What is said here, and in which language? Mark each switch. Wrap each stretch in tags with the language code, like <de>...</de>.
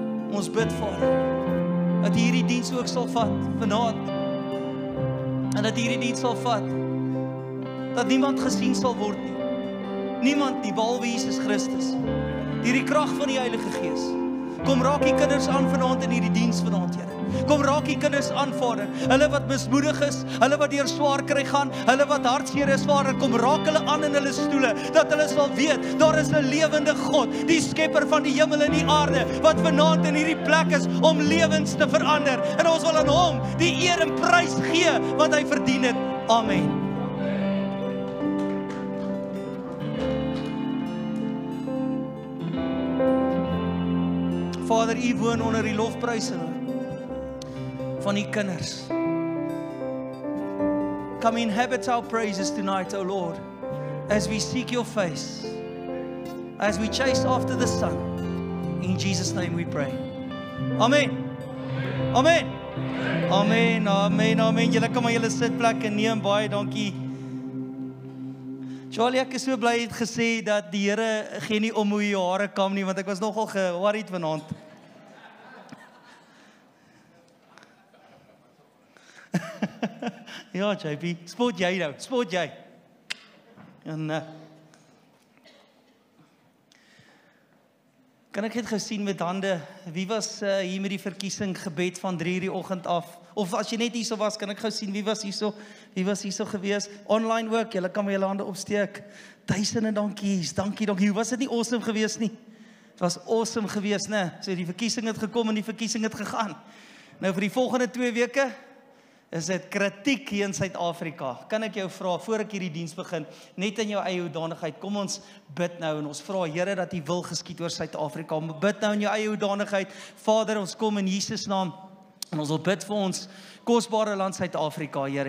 <af>Ons bid, Vader, dat U hierdie diens ook sal vat vanaand. En dat U hierdie diens sal vat dat niemand gesien sal word nie. Niemand nie behalwe Jesus Christus. Hierdie krag van die Heilige Gees. Kom raak U kinders aan vanaand in hierdie diens vanaand, Here. Kom raak U kinders aan, Vader. Hulle wat mismoedig is, hulle wat deur swaar kry gaan, hulle wat hartseer is, Vader, kom raak hulle aan in hulle stoele, dat hulle sal weet, daar is 'n lewende God, die skepper van die hemel en die aarde, wat vanaand in hierdie plek is om lewens te verander. En ons wil aan Hom die eer en prys gee wat Hy verdien het. Amen. Vader, U woon onder die lofprysinge van U kinders.</af> <en>Come inhabit our praises tonight, O Lord, as we seek Your face, as we chase after the sun. In Jesus' name we pray. Amen. Amen. Amen. Amen. Amen.</en> <af>Julle kan maar julle sitplekke neem. Baie dankie. Charlie, ek is so bly jy het gesê dat die Here geen nie om hoe jou hare kam nie, want ek was nogal ge-worried vanaand. Ja, JP, spot jy nou, spot jy. En, kan ek het gesien met hande, wie was hier met die verkiesing gebed van 3:00 die oggend af? Of as jy net hierso was, kan ek gou sien wie was hierso gewees? Online ook, julle kan my julle hande opsteek. Duisende dankies, dankie, dankie. Hoe was dit nie awesome gewees nie? Het was awesome gewees, ne? So die verkiesing het gekom en die verkiesing het gegaan. Nou vir die volgende 2 weke, is dit kritiek hier in Suid-Afrika. Kan ek jou vra, voor ek hierdie diens begin, net in jou eie hoedanigheid, kom ons bid nou en ons vra, Here, dat U wil geskied oor Suid-Afrika. Bid nou in jou eie hoedanigheid. Vader, ons kom in Jesus naam en ons wil bid vir ons kosbare land Suid-Afrika, Here.</af>